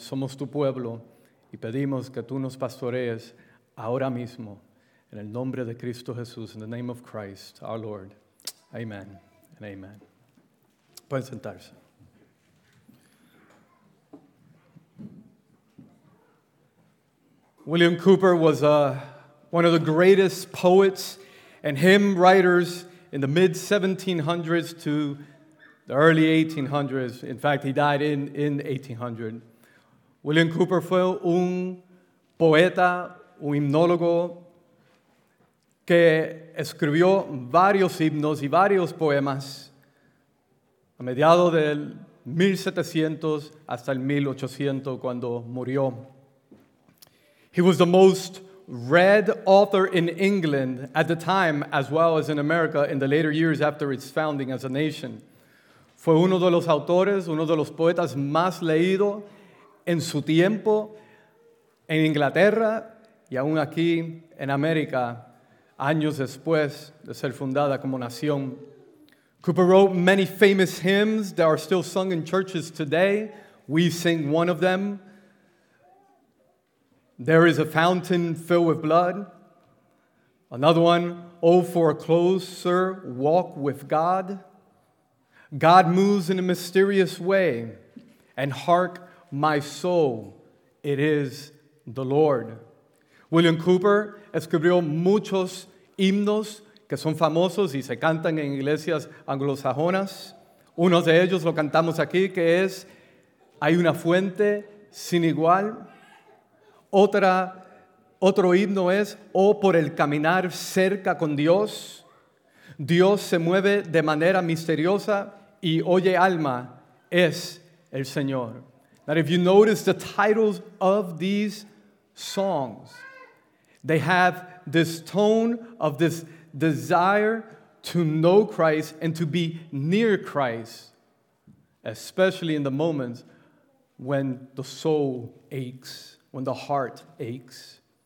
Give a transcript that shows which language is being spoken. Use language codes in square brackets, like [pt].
[es] Somos tu pueblo, y pedimos que tú nos pastorees ahora mismo, en el nombre de Cristo Jesús, [en] in the name of Christ, our Lord. Amen and amen. [es] Pueden sentarse. [en] William Cowper was one of the greatest poets and hymn writers in the mid-1700s to the early 1800s. In fact, he died in 1800. [es] William Cowper fue un poeta, un himnólogo que escribió varios himnos y varios poemas a mediados del 1700 hasta el 1800 cuando murió. [en] He was the most read author in England at the time as well as in America in the later years after its founding as a nation. [es] Fue uno de los autores, uno de los poetas más leídos en su tiempo en Inglaterra y aún aquí en América, años después de ser fundada como nación. [en] Cowper wrote many famous hymns that are still sung in churches today. We sing one of them. There is a fountain filled with blood. Another one, oh, for a closer walk with God. God moves in a mysterious way, and hark, my soul, it is the Lord. [es] William Cooper escribió muchos himnos que son famosos y se cantan en iglesias anglosajonas. Uno de ellos lo cantamos aquí, que es, hay una fuente sin igual. Otro himno es, oh, por el caminar cerca con Dios. Dios se mueve de manera misteriosa y oye alma, es el Señor. [en] Now, if you notice the titles of these songs, they have this tone of this desire to know Christ and to be near Christ, especially in the moments when the soul aches, when the heart aches.